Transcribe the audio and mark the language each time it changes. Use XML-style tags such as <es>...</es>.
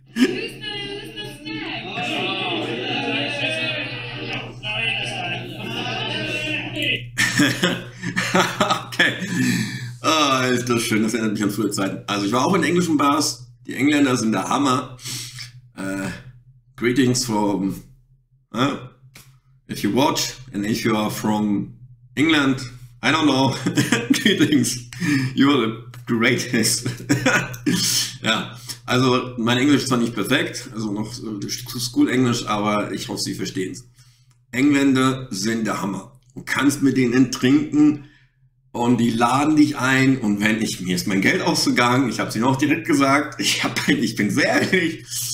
<de>Okay. Oh, ist das schön. Das erinnert mich an frühe Zeiten. Also ich war auch in englischen Bars. Die Engländer sind der Hammer.</de> <en>Greetings from, if you watch and if you are from England, I don't know, greetings, you are the greatest.</en> <de>Ja, also mein Englisch ist zwar nicht perfekt, also noch School-Englisch, aber ich hoffe, Sie verstehen es. Engländer sind der Hammer. Du kannst mit denen trinken und die laden dich ein und wenn ich, mir ist mein Geld ausgegangen, ich habe es ihnen auch direkt gesagt, ich bin sehr ehrlich.</de>